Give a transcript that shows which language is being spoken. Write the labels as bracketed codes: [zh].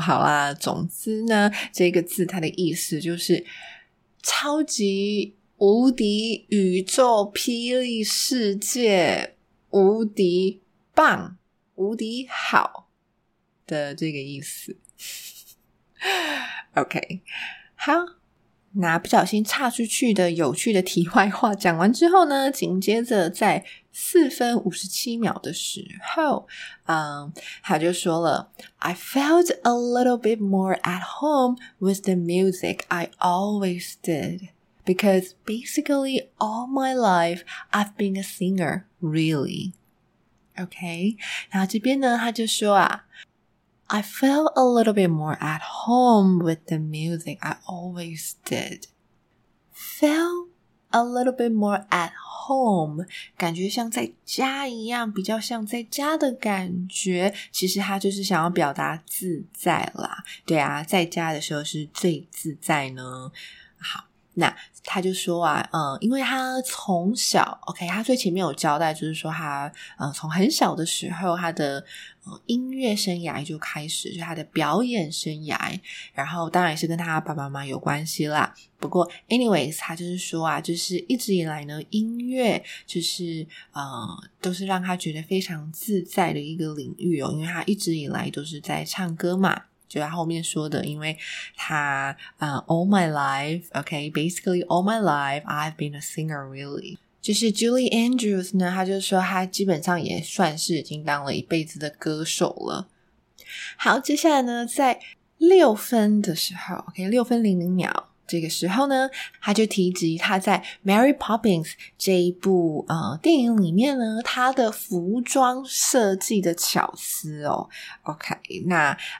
[zh] 好啦，总之呢，这个字它的意思就是超级无敌宇宙霹雳世界无敌棒无敌好的这个意思。OK, 好。那不小心岔出去的有趣的题外话讲完之后呢，紧接着在4分57秒的时候，他就说了 [en] I felt a little bit more at home with the music I always did because basically all my life I've been a singer, really. OK, [zh] 那这边呢他就说啊 [en] I felt a little bit more at home with the music I always did. Felt a little bit more at home. [zh] 感觉像在家一样，比较像在家的感觉。其实他就是想要表达自在啦。对啊，在家的时候是最自在呢。好，那他就说啊，因为他从小 ,OK, 他最前面有交代就是说他从很小的时候他的音乐生涯就开始，就他的表演生涯，然后当然也是跟他爸爸妈妈有关系啦。不过 [en] anyways, [zh] 他就是说啊，就是一直以来呢音乐就是都是让他觉得非常自在的一个领域哦，因为他一直以来都是在唱歌嘛。就他后面说的，因为他 [en] all my life, okay, basically all my life, I've been a singer really. [zh] 就是 Julie Andrews 呢，他就说他基本上也算是已经当了一辈子的歌手了。好，接下来呢，在六分的时候 ,okay, 六分零零秒。这个时候呢他就提及他在 Mary Poppins 这一部电影里面呢他的服装设计的巧思哦 OK 那